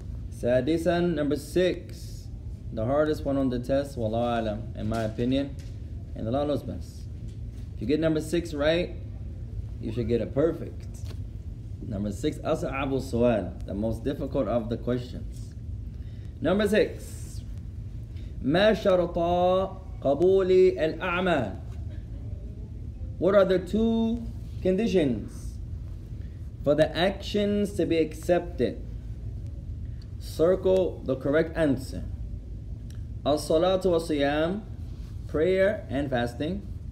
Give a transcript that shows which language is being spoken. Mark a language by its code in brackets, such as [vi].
[en] Sadisan, number six. The hardest one on the test, wallahu alam, in my opinion. And Allah knows best. If you get number six right, you should get a perfect. Number six, [ar] أصعب السؤال, [en] the most difficult of the questions. Number six, [ar] ما شرط قبول الأعمال? [en] What are the two conditions for the actions to be accepted? Circle the correct answer. [ar] الصلاة والصيام, [en] prayer and fasting.